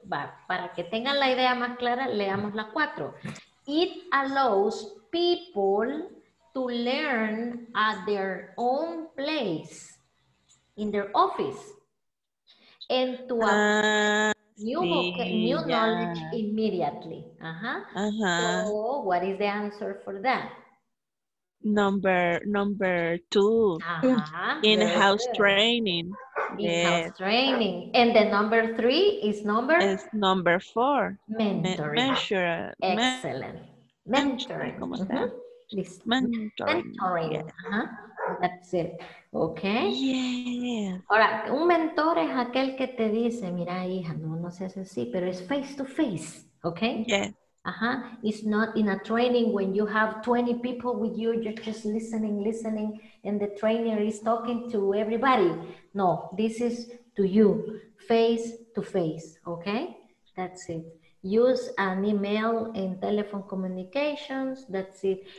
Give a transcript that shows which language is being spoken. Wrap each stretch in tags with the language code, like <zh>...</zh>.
<es>Para que tengan la idea más clara, leamos la cuatro.</es> <en>It allows people to learn at their own place, in their office, and to new knowledge immediately. Uh-huh. Uh-huh. So what is the answer for that? Number two, uh-huh. In-house training. In-house training. And the number three is number? It's number four. Mentoring. Excellent. Mentoring. That's it. Okay. Yeah.</en> <es>Ahora, un mentor es aquel que te dice, mira, hija, no seas así, pero es</es> <en>face to face. Okay. Yeah. Uh-huh. It's not in a training when you have 20 people with you, you're just listening, and the trainer is talking to everybody. No, this is to you, face to face. Okay. That's it. Use an email and telephone communications. That's it.</en>